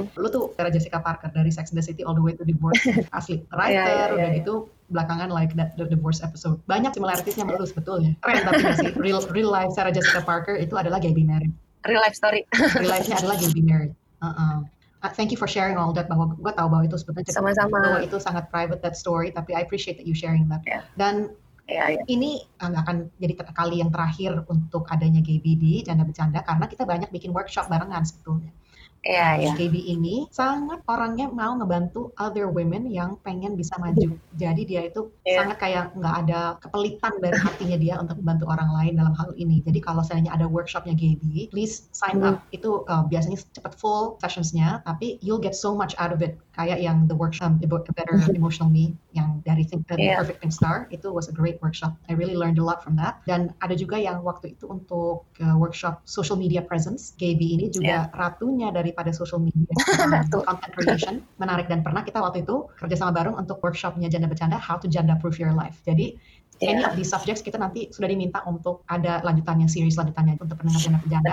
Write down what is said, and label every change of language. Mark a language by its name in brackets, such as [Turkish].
[Indonesian] Lo tuh Sarah Jessica Parker dari Sex and the City [English] all the way to Divorce. [Indonesian] Asli writer udah gitu belakangan [English] like that, the Divorce episode. [Indonesian] Banyak similarities-nya sama lo sebetulnya. Keren tapi gak sih real life Sarah Jessica Parker itu adalah Gabby Mary. [English] Real life story. [Indonesian] Real life-nya adalah Gabby Mary. [English] Thank you for sharing all that, [Indonesian] bahwa gue tahu bahwa itu sebetulnya sama-sama. Bahwa itu sangat [English] private that story, tapi I appreciate that you sharing that. Yeah. [Indonesian] Dan ini gak akan jadi kali yang terakhir untuk adanya Gabby di Janda Bercanda, karena kita banyak bikin workshop barengan sebetulnya. Gabby ini sangat orangnya mau ngebantu other women yang pengen bisa maju. Jadi dia itu sangat kayak gak ada kepelitan dari hatinya dia untuk membantu orang lain dalam hal ini. Jadi kalau seandainya ada workshopnya Gabby, [English] please sign up. [Indonesian] Itu biasanya cepat [English] full sessionsnya, tapi you'll get so much out of it. [Indonesian] Kayak yang [English] the workshop about a better emotional me [Indonesian] yang dari [English] Perfect Pink Star, itu was a great workshop. I really learned a lot from that. [Indonesian] Dan ada juga yang waktu itu untuk workshop social media presence. Gabby ini juga ratunya daripada social media content creation. Menarik, dan pernah kita waktu itu kerja sama bareng untuk workshopnya Janda Bercanda, How to Janda Proof Your Life. Jadi any of these subjects kita nanti sudah diminta untuk ada lanjutannya, series lanjutannya untuk pendengar Janda Bercanda.